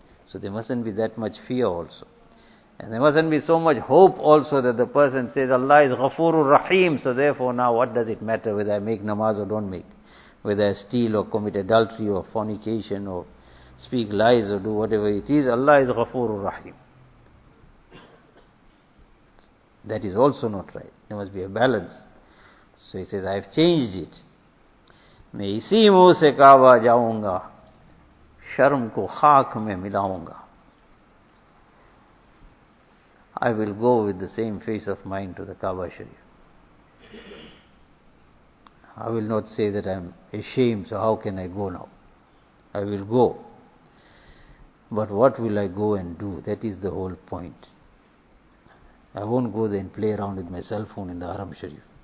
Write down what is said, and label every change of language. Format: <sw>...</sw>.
<en>So there mustn't be that much fear also. And there mustn't be so much hope also that the person says, Allah is Ghafoorur Rahim, so therefore now what does it matter whether I make namaz or don't make? Whether I steal or commit adultery or fornication or speak lies or do whatever it is, Allah is Ghafoorur Rahim. That is also not right. There must be a balance. So he says, I have changed it.</en> <hi>मैं इसी मुंह से काबा जाऊंगा, शर्म को खाक में मिलाऊंगा।</hi> <en>I will go with the same face of mine to the Kaaba Sharif. I will not say that I am ashamed, so how can I go now? I will go. But what will I go and do? That is the whole point. I won't go there and play around with my cell phone in the Haram Sharif.</en>